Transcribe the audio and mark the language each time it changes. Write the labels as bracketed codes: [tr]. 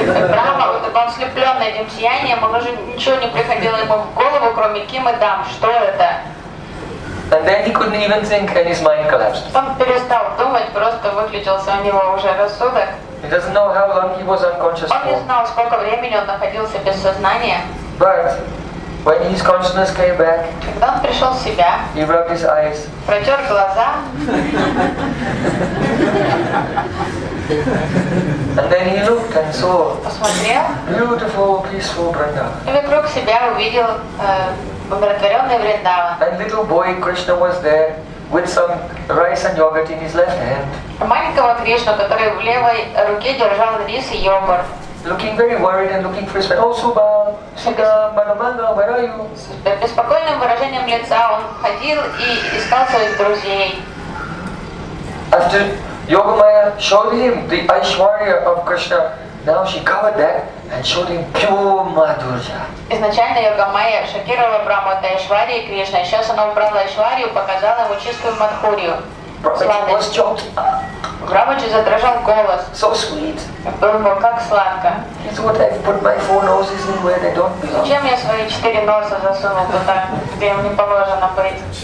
[ru] Brahma, вот он ослеплённый этим сиянием, он уже ничего не приходило ему в голову, кроме [sa] Kim Idam. [ru] Что это? [en] And then he couldn't even think, and his mind collapsed. [ru] Он перестал думать, просто выключился у него уже рассудок. [en] He doesn't know how long he was unconscious for. [ru] Он не знал, сколько времени он находился без сознания. [en] But when his consciousness came back, [ru] когда он пришел в себя, [en] he rubbed his eyes, [ru] протер глаза, [en] and then he looked and saw, [ru] посмотрел, [en] beautiful, peaceful Vrindavan. [ru] И вокруг себя увидел умиротворенный Вриндаван. [en] And little boy Krishna was there with some rice and yogurt in his left hand. [ru] Маленького Кришна, который в левой руке держал рис и йогурт. [en] Looking very worried and looking for his friend. Oh, Subha, Sita, Banamanga, where are you? [ru] С беспокойным выражением лица он ходил и искал своих друзей. [en] After Yogamaya showed him the Aishwarya of Krishna, now she covered that and showed him pure Madhurya. [ru] Изначально Йогамая шокировала Брахму от Айшварии Кришны, сейчас она убрала Айшварию, показала ему чистую Мадхурию. Рамачи задрожал голос. [en] So sweet. [ru] Был как сладко. [en] It's what I've put my four noses in where they don't belong. [ru] Зачем я свои четыре носа засунул туда, где им не положено быть?